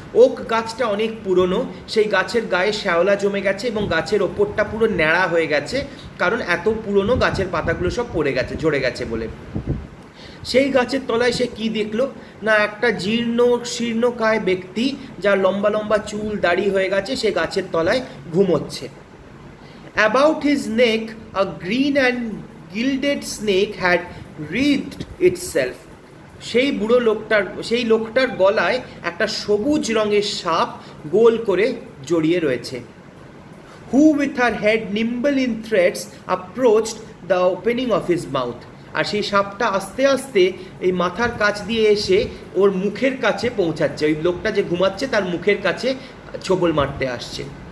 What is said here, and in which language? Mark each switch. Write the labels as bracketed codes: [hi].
[bn] Okay গাছটা অনেক পুরনো, সেই গাছের গায়ে শ্যাওলা জমে গেছে এবং গাছের ওপরটা পুরো ন্যাড়া হয়ে গেছে, কারণ এত পুরনো গাছের পাতাগুলো সব পড়ে গেছে, ঝরে গেছে বলে। সেই গাছের তলায় সে কি দেখলো? না, একটা জীর্ণ শীর্ণকায় ব্যক্তি যার লম্বা লম্বা চুল দাড়ি হয়ে গেছে, সে গাছের তলায় ঘুমোচ্ছে। [en] About his neck, a green and gilded snake had wreathed itself. [bn] সেই বুড়ো লোকটার, সেই লোকটার গলায় একটা সবুজ রঙের সাপ গোল করে জড়িয়ে রয়েছে। [en] who with her head nimble in threads approached the opening of his mouth, [bn] আর সেই সাপটা আস্তে আস্তে এই মাথার কাছ দিয়ে এসে ওর মুখের কাছে পৌঁছাচ্ছে, ওই লোকটা যে ঘুমাচ্ছে তার মুখের কাছে ছোবল মারতে আসছে।